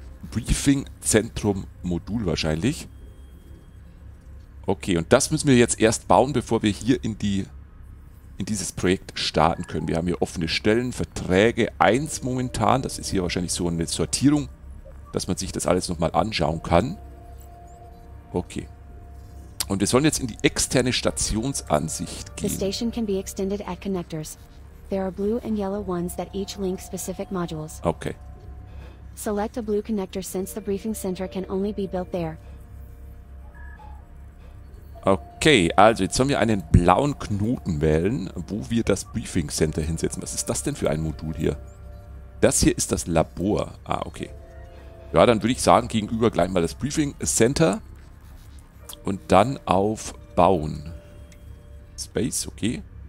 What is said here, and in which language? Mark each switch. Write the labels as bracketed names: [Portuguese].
[German] Briefing Zentrum Modul wahrscheinlich. Okay, und das müssen wir jetzt erst bauen, bevor wir hier in dieses Projekt starten können. Wir haben hier offene Stellen, Verträge 1 momentan. Das ist hier wahrscheinlich so eine Sortierung, dass man sich das alles nochmal anschauen kann. Okay. Und wir sollen jetzt in die externe Stationsansicht [English] The station can be extended at connectors. There are blue and yellow ones that each link specific modules. Okay. Select a blue connector since the briefing center can only be built there. [German] Okay, also jetzt sollen wir einen blauen Knoten wählen, wo wir das Briefing Center hinsetzen. Was ist das denn für ein Modul hier? Das hier ist das Labor. Ah, okay. Ja, dann würde ich sagen, gegenüber gleich mal das Briefing Center. Und dann auf Bauen. Space, okay.